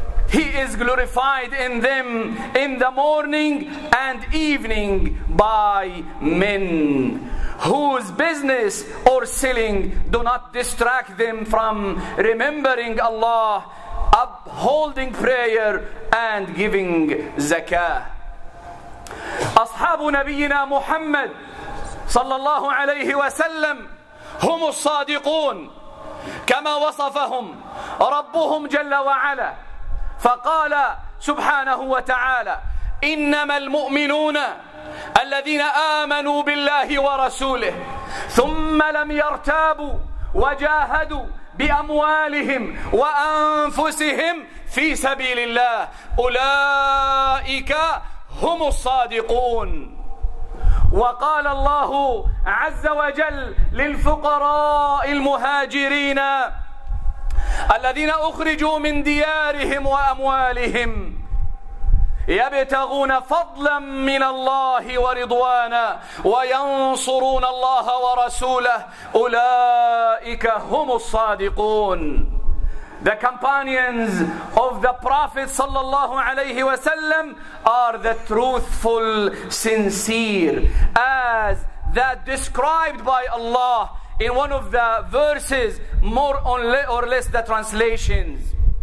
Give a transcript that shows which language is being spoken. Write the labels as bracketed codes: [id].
[en] He is glorified in them in the morning and evening by men whose business or selling do not distract them from remembering Allah, upholding prayer and giving zakah. [ar] Ashabu Nabiyyina Muhammad sallallahu alayhi wa sallam هم الصادقون كما وصفهم ربهم جل وعلا، فقال سبحانه وتعالى: إنما المؤمنون الذين آمنوا بالله ورسوله ثم لم يرتابوا وجاهدوا بأموالهم وأنفسهم في سبيل الله أولئك هم الصادقون. وقال الله عز وجل للفقراء المهاجرين الذين أخرجوا من ديارهم وأموالهم يبتغون فضلا من الله ورضوانا وينصرون الله ورسوله أولئك هم الصادقون. [en] The companions of the Prophet sallallahu alayhi wa sallam are the truthful, sincere, as that described by Allah in one of the verses, more or less the translations.